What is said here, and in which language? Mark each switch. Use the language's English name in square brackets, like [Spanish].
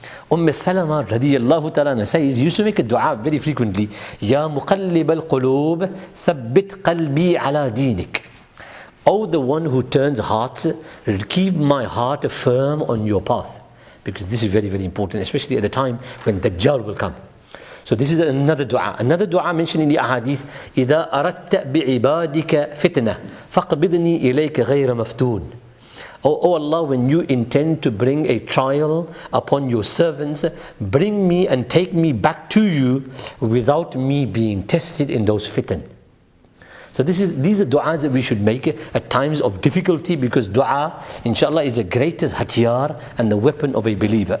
[English] Umm Salama radiyallahu ta'ala says, he used to make a dua very frequently. [Arabic] Ya muqallib al-qulub, thabbit qalbi ala deenik. [English] O the one who turns hearts, keep my heart firm on your path. Because this is very, very important, especially at the time when Dajjal will come. So this is another dua. Another dua mentioned in the ahadith, [Arabic] إِذَا أَرَدْتَ بِعِبَادِكَ فِتْنَةً فَاقْبِضْنِي إِلَيْكَ غَيْرَ مَفْتُونَ. [English] Oh Allah, when you intend to bring a trial upon your servants, bring me and take me back to you without me being tested in those fitan. So these are du'as that we should make at times of difficulty, because du'a, inshallah, is the greatest hatiyar and the weapon of a believer.